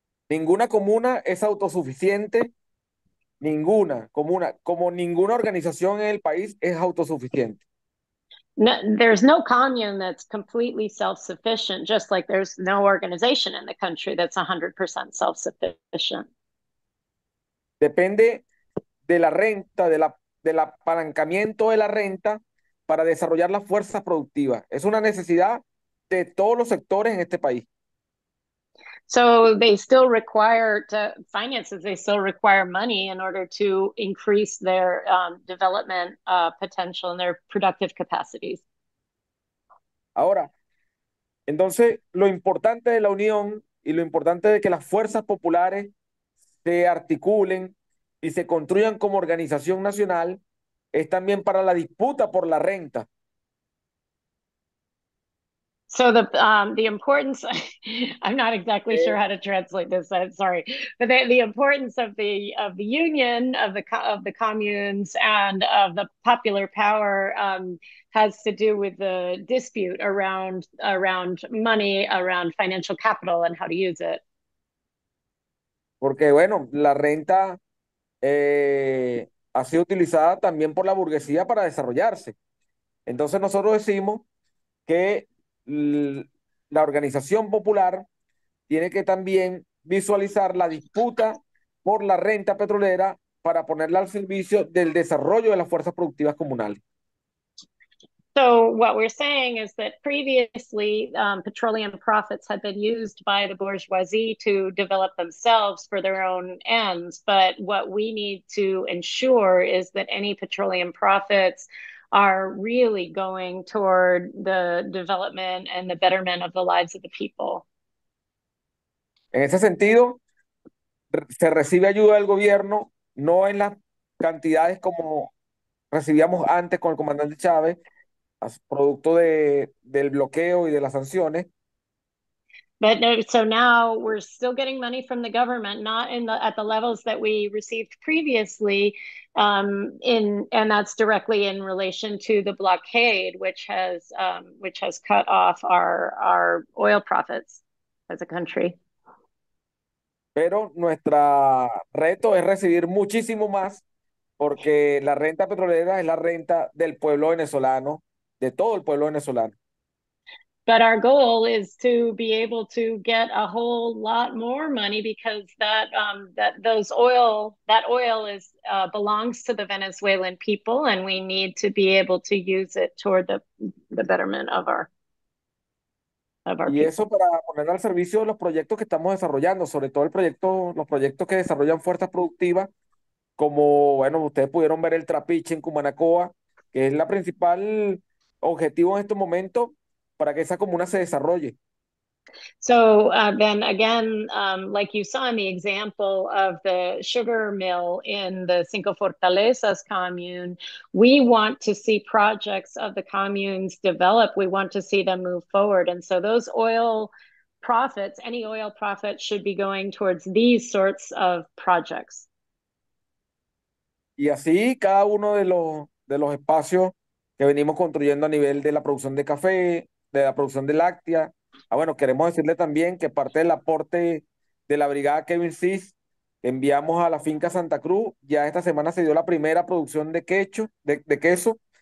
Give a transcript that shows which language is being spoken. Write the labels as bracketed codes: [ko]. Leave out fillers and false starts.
[es] Ninguna comuna es autosuficiente. Ninguna comuna, como ninguna organización en el país, es autosuficiente. [en] No, there's no commune that's completely self-sufficient, just like there's no organization in the country that's 100% self-sufficient. [es] Depende de la renta, del apalancamiento de la renta para desarrollar las fuerzas productivas. Es una necesidad de todos los sectores en este país. [en] So they still require to finances, they still require money in order to increase their development potential and their productive capacities. [es] Ahora, entonces, lo importante de la unión y lo importante de que las fuerzas populares se articulen y se construyan como organización nacional es también para la disputa por la renta. [en] So the importance, I'm not exactly sure how to translate this, I'm sorry, but the importance of the union, of the communes and of the popular power has to do with the dispute around, around money, around financial capital and how to use it. [es] Porque bueno, la renta ha sido utilizada también por la burguesía para desarrollarse. Entonces nosotros decimos que la organización popular tiene que también visualizar la disputa por la renta petrolera para ponerla al servicio del desarrollo de las fuerzas productivas comunales. [en] So what we're saying is that previously petroleum profits had been used by the bourgeoisie to develop themselves for their own ends, but what we need to ensure is that any petroleum profits are really going toward the development and the betterment of the lives of the people. [es] En ese sentido, se recibe ayuda del gobierno, no en las cantidades como recibíamos antes con el comandante Chávez, producto de, del bloqueo y de las sanciones. [en] But no, so now we're still getting money from the government, not in the, at the levels that we received previously, and that's directly in relation to the blockade, which has cut off our oil profits as a country. [es] Pero nuestro reto es recibir muchísimo más, porque la renta petrolera es la renta del pueblo venezolano, de todo el pueblo venezolano. [en] But our goal is to be able to get a whole lot more money because that that oil is belongs to the Venezuelan people, and we need to be able to use it toward the betterment of our Y people. [es] Eso para poner al servicio de los proyectos que estamos desarrollando, sobre todo el proyecto los proyectos que desarrollan fuerzas productivas, como bueno ustedes pudieron ver el trapiche en Cumanacoa, que es la principal objetivo en este momento. Para que esa comuna se desarrolle. [en] So then again, like you saw in the example of the sugar mill in the Cinco Fortalezas commune, we want to see projects of the communes develop. We want to see them move forward. And so those oil profits, any oil profits should be going towards these sorts of projects. [es] Y así cada uno de los espacios que venimos construyendo a nivel de la producción de café, de la producción de láctea. Ah, bueno, queremos decirle también que parte del aporte de la brigada Kevin Cis que enviamos a la finca Santa Cruz, ya esta semana se dio la primera producción de quecho, de queso.